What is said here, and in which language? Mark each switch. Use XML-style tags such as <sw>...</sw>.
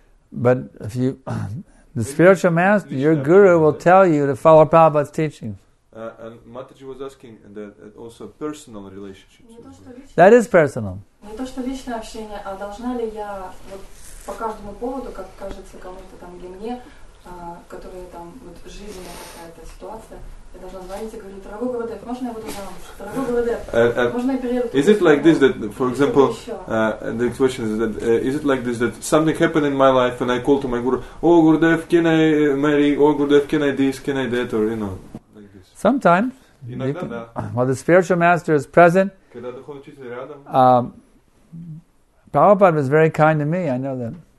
<en>But if you, the spiritual master, your guru will tell you to follow Prabhupada's teaching. And Mataji was asking that also personal relationships. That is personal.</en> <ru>Не то что личное общение, а должна ли я по каждому поводу, как кажется кому-то там для мне, которая там вот жизненная какая-то ситуация, я должна звонить и говорить: дорогой Гурудев, можно я буду замуж? Дорогой Гурудев, можно я перееду?</ru> <en>Is it like this that, for example, the question is that, is it like this that something happened in my life and I call to my guru, oh Gurudev, can I marry? Oh Gurudev, can I this? Can I that? Or, you know, like this. Sometimes. While the spiritual master is present, Prabhupada was very kind to me, I know that.</en>